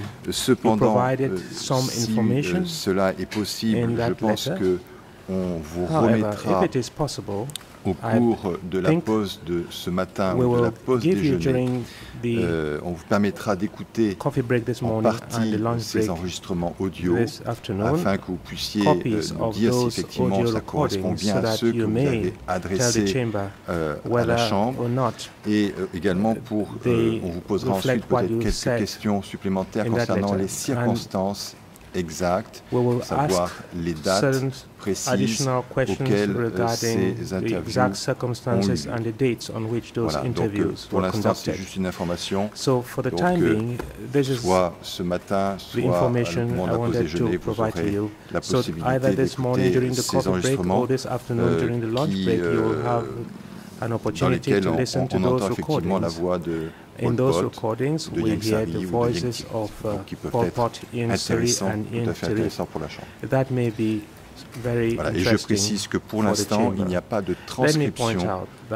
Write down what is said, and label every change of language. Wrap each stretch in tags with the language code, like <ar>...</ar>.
<fr>Cependant, si cela est possible, je pense qu'on vous remettra au cours de la pause de ce matin ou de la pause déjeuner, on vous permettra d'écouter en partie ces enregistrements audio afin que vous puissiez dire si effectivement ça correspond bien à ceux que vous avez adressés à la Chambre. Et également, on vous posera ensuite peut-être quelques questions supplémentaires concernant les circonstances exactes, savoir les dates</fr> <en>additional questions regarding the exact circumstances and the dates on which those interviews were conducted.</en> <fr>C'est juste une information.</fr> <en>So for the time being, this is</en> <fr>ce matin,</fr> <en>the information I wanted to provide to you. So either this morning during the coffee break or this afternoon during the lunch break, you will have an opportunity to listen to those recordings. In those recordings, we hear the voices of Pol Pot, Yeng Sari and Yeng Tirit. That may be very</en> <fr>et je précise que pour l'instant, il n'y a pas de transcription</fr>